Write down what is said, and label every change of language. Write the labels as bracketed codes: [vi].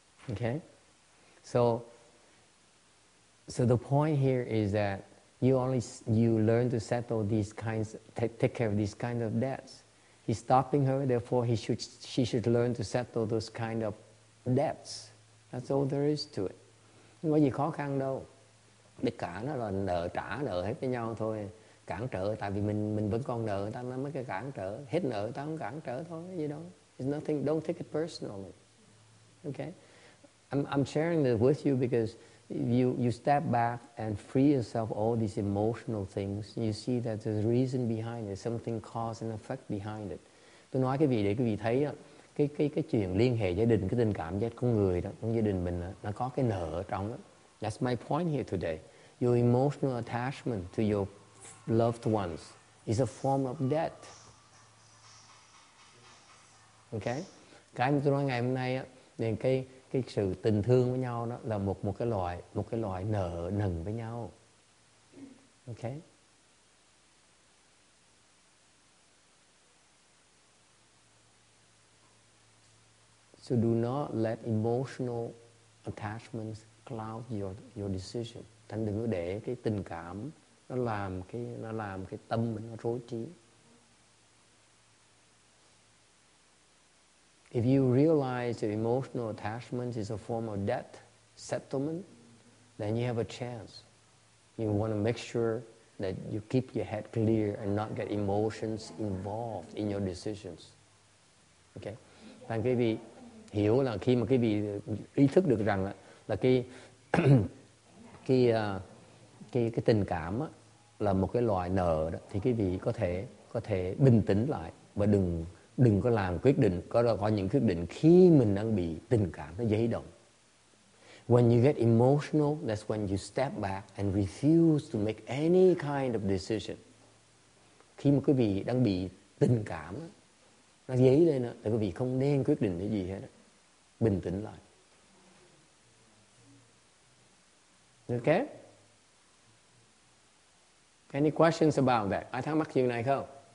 [en] Okay. So the point here is that you learn to settle these kinds, take care of these kinds of debts. He's stopping her, therefore she should learn to settle those kind of debts. That's all there is to it. [vi] Không có gì khó khăn đâu. Tất cả nó là nợ trả nợ hết với nhau thôi. Cản trở, tại vì mình vẫn còn nợ, ta mới cái cản trở. Hết nợ, ta không cản trở thôi, [en] you know. It's nothing, don't take it personally. Okay? I'm sharing this with you because you step back and free yourself of all these emotional things. You see that there's a reason behind it, something cause and effect behind it. [vi] Tôi nói cái vị thấy á, cái chuyện liên hệ gia đình, cái tình cảm giác con người đó, con gia đình mình đó, nó có cái nợ ở trong đó. [en] That's my point here today. Your emotional attachment to your loved ones is a form of debt. Okay? [vi] Cái mà tôi nói ngày hôm nay á, thì cái sự tình thương với nhau đó là một cái loại nợ nần với nhau. [en] Okay? So do not let emotional attachments cloud your decision. [vi] Thành đừng có để cái tình cảm nó làm cái tâm mình nó rối trí. [en] If you realize your emotional attachment is a form of debt settlement, then you have a chance. You want to make sure that you keep your head clear and not get emotions involved in your decisions. Okay? [vi] Thành quý vị hiểu là khi mà quý vị ý thức được rằng là cái tình cảm á, là một cái loại nợ đó, thì quý vị có thể bình tĩnh lại và đừng có làm quyết định, có những quyết định khi mình đang bị tình cảm nó dấy động. [en] When you get emotional, that's when you step back and refuse to make any kind of decision. [vi] Khi mà quý vị đang bị tình cảm đó, nó dấy lên đó, thì quý vị không nên quyết định cái gì hết đó. Bình tĩnh lại. Okay? [en] Any questions about that? [vi] Ai thắc mắc chuyện này không?